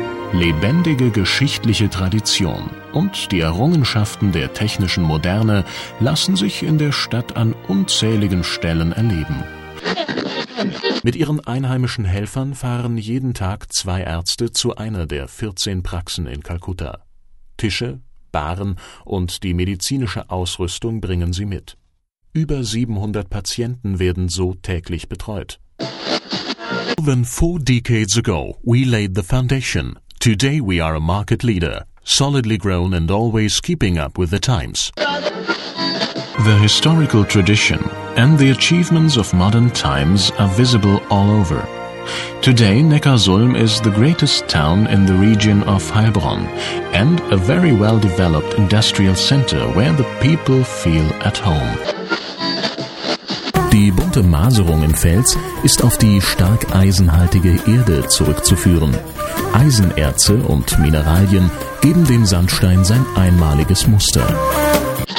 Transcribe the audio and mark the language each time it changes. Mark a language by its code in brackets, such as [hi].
[de] Lebendige geschichtliche Tradition und die Errungenschaften der technischen Moderne lassen sich in der Stadt an unzähligen Stellen erleben. Mit ihren einheimischen Helfern fahren jeden Tag zwei Ärzte zu einer der 14 Praxen in Kalkutta. Tische, Bahren und die medizinische Ausrüstung bringen sie mit. Über 700 Patienten werden so täglich betreut. [en] More than four decades ago, we laid the foundation. Today we are a market leader, solidly grown and always keeping up with the times. The historical tradition and the achievements of modern times are visible all over. Today, Neckarsulm is the greatest town in the region of Heilbronn and a very well-developed industrial center where the people feel at home. [de] Die bunte Maserung im Fels ist auf die stark eisenhaltige Erde zurückzuführen. Eisenerze und Mineralien geben dem Sandstein sein einmaliges Muster.